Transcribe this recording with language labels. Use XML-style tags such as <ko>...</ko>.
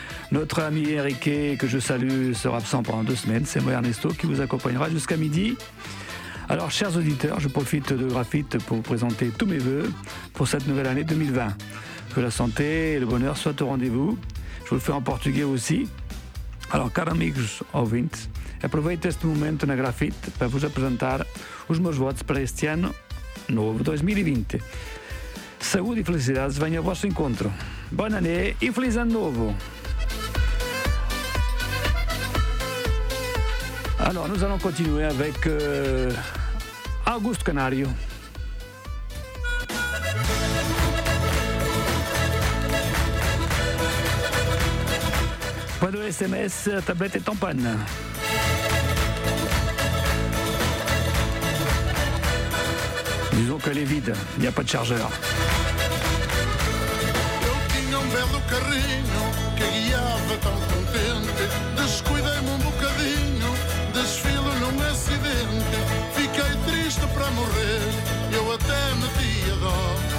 <fr>Notre ami Eric, que je salue, sera absent pendant 2 semaines. C'est moi, Ernesto, qui vous accompagnera jusqu'à midi. Alors, chers auditeurs, je profite de Graphite pour vous présenter tous mes vœux pour cette nouvelle année 2020. Que la santé et le bonheur soient au rendez-vous. Je vous le fais en portugais aussi.</fr> <pt>Alors, caros amigos ouvintes, aproveito este momento na Graphite para vos apresentar os meus votos para este ano novo 2020. Saúde e felicidades venham ao vosso encontro.</pt> <fr>Bon année</fr> <pt>e feliz ano novo!</pt> <fr>Alors, nous allons continuer avec Augusto Canario. Pas de SMS, tablette est en panne. Disons qu'elle est vide, il n'y a pas de chargeur.</fr> <pt>Eu tinha um belo carrinho que guiava tão contente. Descuidei-me um bocadinho, desfilo num acidente. Fiquei triste para morrer, eu até meti a dó.</pt>